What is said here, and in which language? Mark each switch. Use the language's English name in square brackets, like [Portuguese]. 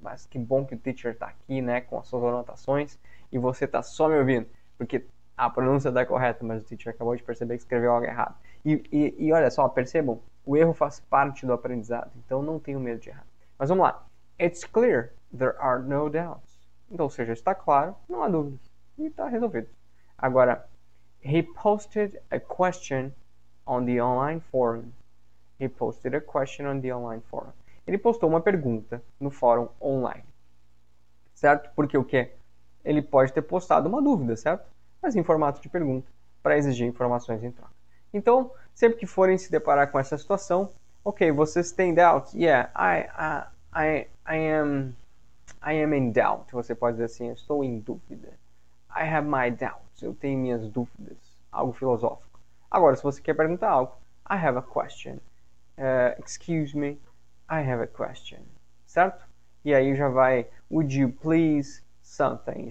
[Portuguese] Mas que bom que o teacher está aqui, né, com as suas anotações e você está só me ouvindo, porque a pronúncia está correta, mas o teacher acabou de perceber que escreveu algo errado. E olha só, percebam, o erro faz parte do aprendizado, então não tenho medo de errar. Mas vamos lá. [English] It's clear, there are no doubts. [Portuguese] Então, ou seja, está claro, não há dúvidas. E está resolvido. Agora, [English] he posted a question on the online forum. He posted a question on the online forum. [Portuguese] Ele postou uma pergunta no fórum online. Certo? Porque o quê? Ele pode ter postado uma dúvida, certo? Mas em formato de pergunta, para exigir informações em troca. Então, sempre que forem se deparar com essa situação, ok, vocês têm doubts? [English] Yeah, I am in doubt. [Portuguese] Você pode dizer assim, estou em dúvida. [English] I have my doubts. [Portuguese] Eu tenho minhas dúvidas. Algo filosófico. Agora, se você quer perguntar algo, [English] I have a question. Excuse me, I have a question. [Portuguese] Certo? E aí já vai, [English] would you please something?